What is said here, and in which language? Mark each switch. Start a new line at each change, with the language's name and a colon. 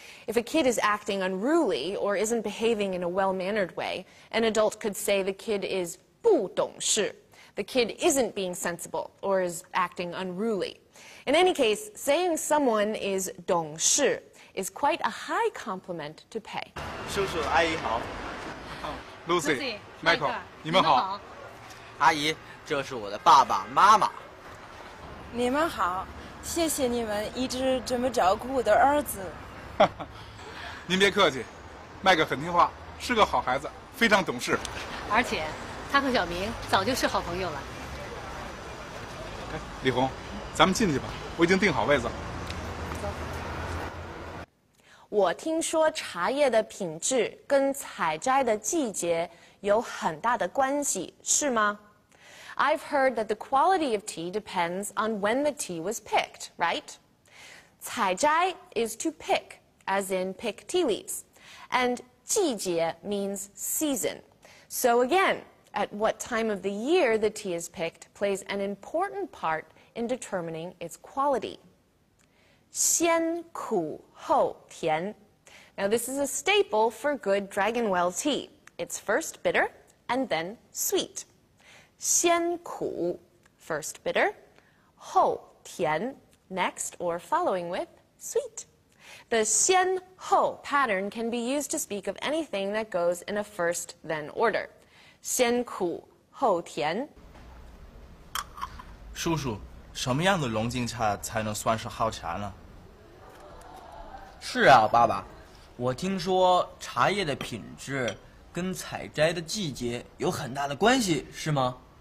English: If a kid is acting unruly or isn't behaving in a well mannered way, an adult could say the kid is 不懂事. The kid isn't being sensible or is acting unruly. In any case, saying someone is 懂事 is quite a high compliment to pay.
Chinese: 叔叔阿姨好 Lucy, Michael, 你们好阿姨，这是我的爸爸妈妈。你们好，谢谢你们一直这么照顾我的儿子。您别客气，麦克很听话，是个好孩子，非常懂事。而且他和小明早就是好朋友了。哎，李红，咱们进去吧，我已经订好位子。走。我听说茶叶的品质跟采摘的季节有很大的关系，是吗？
English: I've heard that the quality of tea depends on when the tea was picked, right? 采摘 is to pick, as in pick tea leaves. And 季节 means season. So again, at what time of the year the tea is picked plays an important part in determining its quality.
Chinese: 先苦后甜.
English: Now this is a staple for good Dragon Well tea. It's first bitter and then sweet. 先苦 first bitter, 后甜 next or following with sweet. The 先后 pattern can be used to speak of anything that goes in a first then order.
Chinese: 先苦后甜。叔叔，什么样的龙井茶才能算是好茶呢？是啊，爸爸，我听说茶叶的品质跟采摘的季节有很大的关系，是吗？